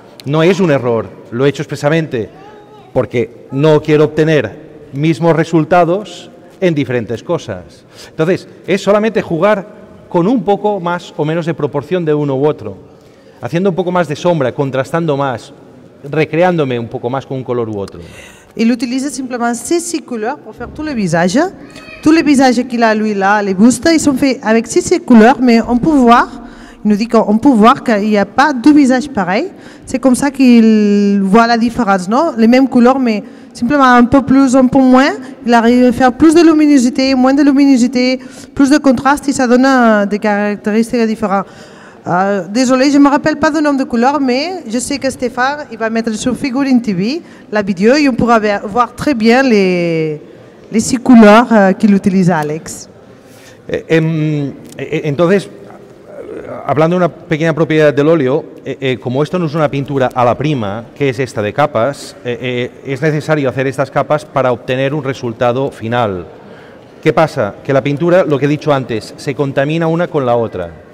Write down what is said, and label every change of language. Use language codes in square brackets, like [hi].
[es] No es un error, lo he hecho expresamente porque no quiero obtener mismos resultados en diferentes cosas. Entonces, es solamente jugar con un poco más o menos de proporción de uno u otro, haciendo un poco más de sombra, contrastando más, recreándome un poco más con un color u otro. [fr] Il utilise simplement ces six couleurs pour faire tous les visages. Tous les visages qu'il a lui là, les bustes, ils sont faits avec ces six couleurs, mais on peut voir, il nous dit qu'on peut voir qu'il n'y a pas deux visages pareils. C'est comme ça qu'il voit la différence, non? Les mêmes couleurs, mais simplement un peu plus, un peu moins, il arrive à faire plus de luminosité, moins de luminosité, plus de contraste, et ça donne des caractéristiques différentes. Désolé, je ne me rappelle pas du nom de couleur, mais je sais que Stéphane il va mettre sur Figurine TV la vidéo et on pourra voir très bien les six couleurs qu'il utilise, Alex. [es] Entonces, hablando de una pequeña propiedad del óleo, como esto no es una pintura a la prima, que es esta de capas, es necesario hacer estas capas para obtener un resultado final. ¿Qué pasa? Que la pintura, lo que he dicho antes, se contamina una con la otra.